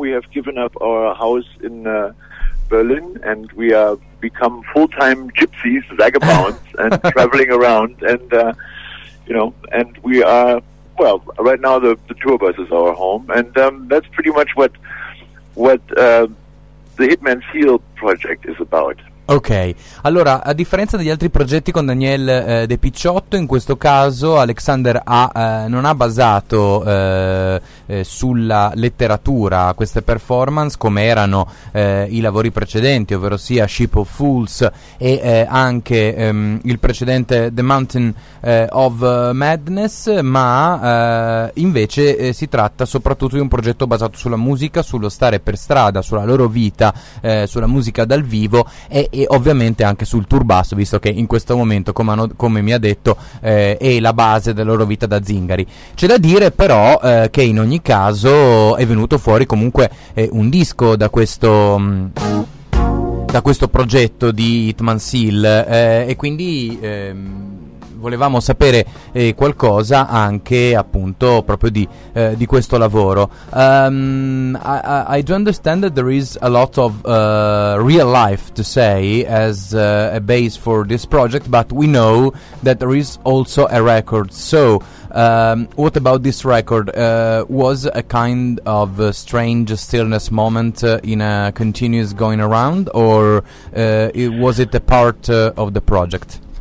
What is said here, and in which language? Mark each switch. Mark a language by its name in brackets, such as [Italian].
[English] We have given up our house in Berlin, and we are become full-time gypsies, vagabonds, and traveling around, and we are, well, right now the tour bus is our home, and that's pretty much what the Hitman's Hill project is about. [Italian] Ok, allora, a differenza degli altri progetti con Daniel De Picciotto, in questo caso Alexander non ha basato sulla letteratura queste performance come erano i lavori precedenti, ovvero sia Ship of Fools e anche il precedente The Mountain of Madness, ma invece si tratta soprattutto di un progetto basato sulla musica, sullo stare per strada, sulla loro vita, sulla musica dal vivo e ovviamente anche sul tour bus, visto che in questo momento, come mi ha detto, è la base della loro vita da zingari. C'è da dire però che in ogni caso è venuto fuori comunque un disco da questo progetto di Hitman's Hill, e quindi volevamo sapere qualcosa anche appunto proprio di questo lavoro. [English] I do understand that there is a lot of real life to say as a base for this project, but we know that there is also a record. So what about this record? Was a kind of a strange stillness moment in a continuous going around, or was it a part of the project?